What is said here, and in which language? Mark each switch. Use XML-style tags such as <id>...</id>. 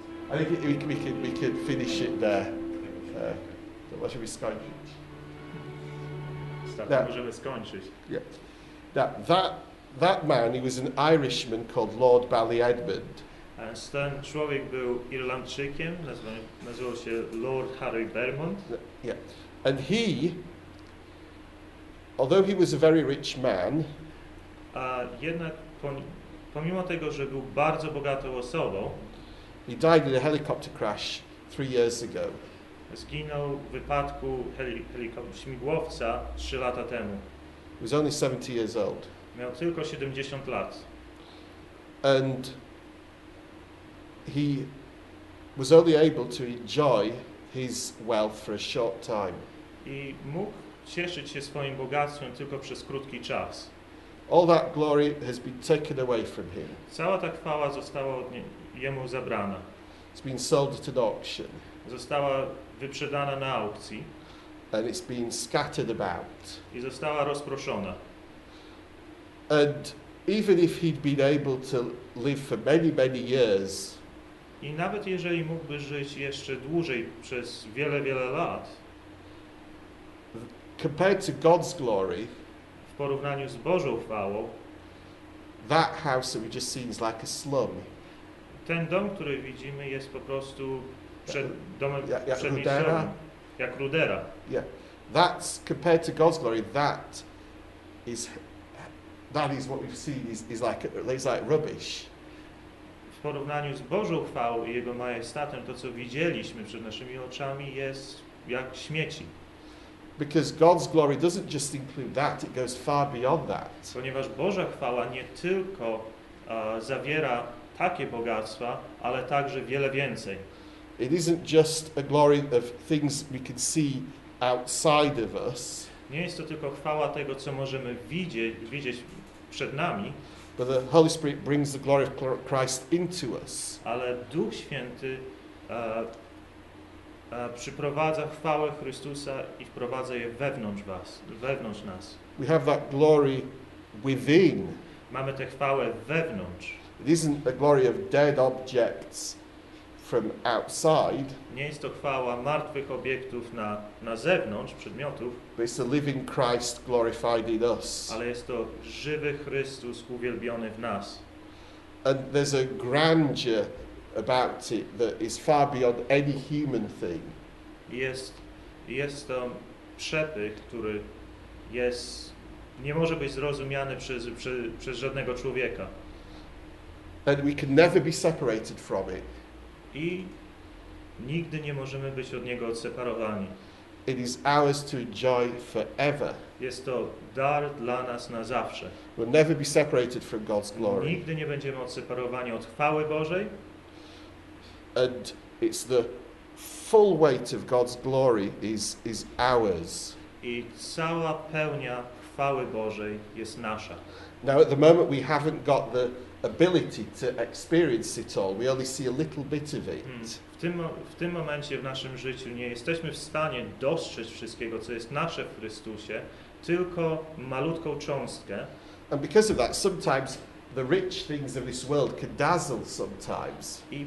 <en>I think we could finish it there. What should we skończyć? Stop.</en> <pl>Możemy skończyć. Yeah.</pl> <en>That man, he was an Irishman called Lord Ballyedmund.</en> <pl>Ten człowiek był Irlandczykiem, nazywał się Lord Harry Bermond. Yeah.</pl> <en>And he, although he was a very rich man,</en> <pl>a jednak pomimo tego, że był bardzo bogatą osobą,</pl> <en>he died in a helicopter crash 3 years ago.</en> <pl>Zginął w wypadku śmigłowca 3 lata temu.</pl> <en>He was only 70 years old.</en> <pl>Miał tylko 70 lat.</pl> <en>And he was only able to enjoy his wealth for a short time.</en> <pl>I mógł cieszyć się swoim bogactwem tylko przez krótki czas.</pl> <en>All that glory has been taken away from him.</en> <pl>Cała ta chwała została od jemu zabrana.</pl> <en>It's been sold at an auction.</en> <pl>Została wyprzedana na aukcji.</pl> <en>And it's been scattered about.</en> <pl>I została rozproszona.</pl> <en>And even if he'd been able to live for many, many years,</en> <pl>i nawet jeżeli mógłby żyć jeszcze dłużej przez wiele, wiele lat,</pl> <en>compared to God's glory,</en> <pl>w porównaniu z Bożą chwałą,</pl> <en>that house that we just seen is like a slum.</en> <pl>Ten dom, który widzimy, jest po prostu przed domem przemieszczonym, jak rudera. Yeah.</pl> <en>That's compared to God's glory, that is what we've seen is like rubbish.</en> <pl>W porównaniu z Bożą chwałą i Jego majestatem, to co widzieliśmy przed naszymi oczami jest jak śmieci.</pl> <en>Because God's glory doesn't just include that, it goes far beyond that.</en> <pl>Ponieważ Boża chwała nie tylko zawiera takie bogactwa, ale także wiele więcej.</pl> <en>It isn't just a glory of things we can see outside of us.</en> <pl>Nie jest to tylko chwała tego, co możemy widzieć przed nami.</pl> <en>But the Holy Spirit brings the glory of Christ into us.</en> <pl>Ale Duch Święty przyprowadza chwałę Chrystusa i wprowadza je wewnątrz was, wewnątrz nas.</pl> <en>We have that glory within.</en> <pl>Mamy tę chwałę wewnątrz.</pl> <en>It isn't a glory of dead objects from outside.</en> <pl>Nie jest to chwała martwych obiektów na zewnątrz, przedmiotów.</pl> <en>But it's the living Christ glorified in us.</en> <pl>Ale jest to żywy Chrystus uwielbiony w nas.</pl> <en>And there's a grandeur about it that is far beyond any human thing.</en> <pl>Jest to przepych, który jest, nie może być zrozumiany przez żadnego człowieka.</pl> <en>And we can never be separated from it.</en> <pl>I nigdy nie możemy być od niego odseparowani.</pl> <en>It is ours to enjoy forever.</en> <pl>Jest to dar dla nas na zawsze.</pl> <en>We'll never be separated from God's glory.</en> <pl>Nigdy nie będziemy odseparowani od chwały Bożej.</pl> <en>And it's the full weight of God's glory is ours.</en> <pl>I cała pełnia chwały Bożej jest nasza.</pl> <en>Now at the moment we haven't got the ability to experience it all. We only see a little bit of it.</en> <pl>W tym momencie w naszym życiu nie jesteśmy w stanie dostrzec wszystkiego, co jest nasze w Chrystusie, tylko malutką cząstkę.</pl> <en>And because of that, sometimes the rich things of this world can dazzle sometimes.</en>